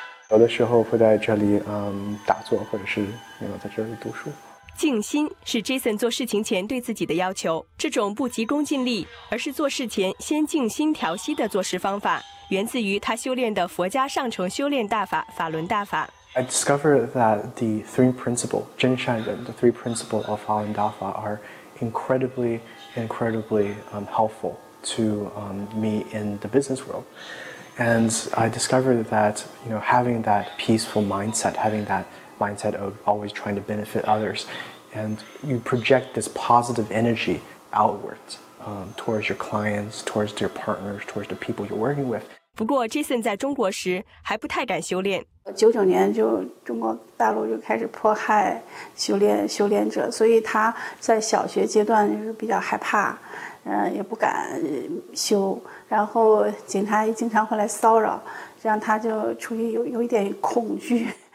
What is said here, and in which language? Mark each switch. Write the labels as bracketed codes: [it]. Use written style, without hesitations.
[zh] 有的时候会在这里打坐，或者是在这里读书。静心是 Jason 做事情前对自己的要求，这种不急功近利，而是做事前先静心调息的做事方法，源自于他修炼的佛家上乘修炼大法法轮大法。 [en] I discovered that the three principles, 真善忍, the three principles of Falun Dafa and Dafa are incredibly, incredibly helpful to me in the business world. And I discovered that, having that peaceful mindset, having that mindset of always trying to benefit others, and you project this positive energy outwards, towards your clients, towards your partners, towards the people you're working with. [zh] 不过 Jason 在中国时还不太敢修炼。 99年就中国大陆就开始迫害修炼者，所以他在小学阶段就是比较害怕，也不敢修。然后警察也经常会来骚扰，让他就处于有一点恐惧。